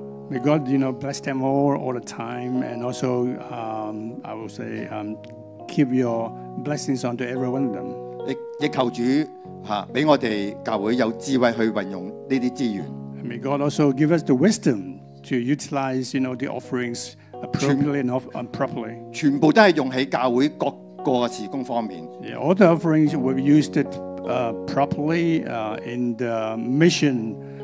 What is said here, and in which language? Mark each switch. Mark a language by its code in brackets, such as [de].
[en] May God, you know, bless them all the time, and also, I will say, keep your blessings onto every one of them. [yue] 亦求主嚇，俾我哋教會有智慧去運用呢啲資源。 [en] May God also give us the wisdom to utilize, you know, the offerings appropriately and properly. [yue] 全部都係用喺教會各個事工方面。 [en] Yeah, all the offerings will be used properly in the mission.